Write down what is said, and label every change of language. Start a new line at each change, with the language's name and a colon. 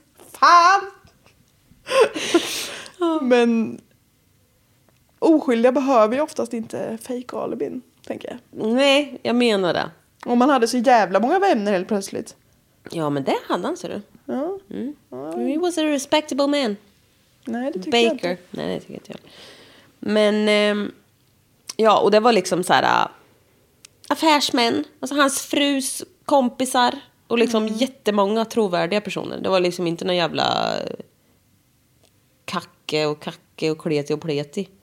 Swedish: Fan! Men oskyldiga behöver ju oftast inte fake alibin, tänker jag. Nej, jag menar det. Om man hade så jävla många vänner helt plötsligt. Ja, men det hade han, ser du. Ja.
English: Mm. He was a respectable man.
Swedish: Nej, det tycker Baker. Jag inte. Nej, det tycker jag inte. Men, ja, och det var liksom så här affärsmän. Alltså hans frus kompisar. Och liksom jättemånga trovärdiga personer. Det var liksom inte någon jävla kacke och kleti och pleti.